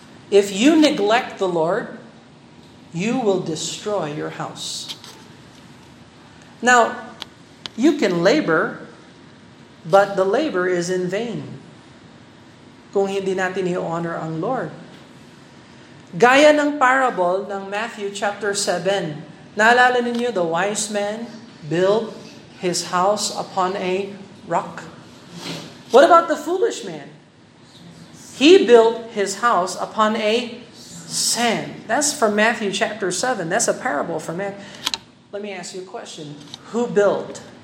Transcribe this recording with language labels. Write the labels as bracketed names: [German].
[English] If you neglect the Lord, you will destroy your house. Now, you can labor, but the labor is in vain. [Filipino] Kung hindi natin i-honor ang Lord. Gaya ng parable ng Matthew chapter 7. Naalala ninyo, [English] the wise man built his house upon a rock. What about the foolish man? He built his house upon a sand. That's from Matthew chapter 7. That's a parable for man. Let me ask you a question. Who built?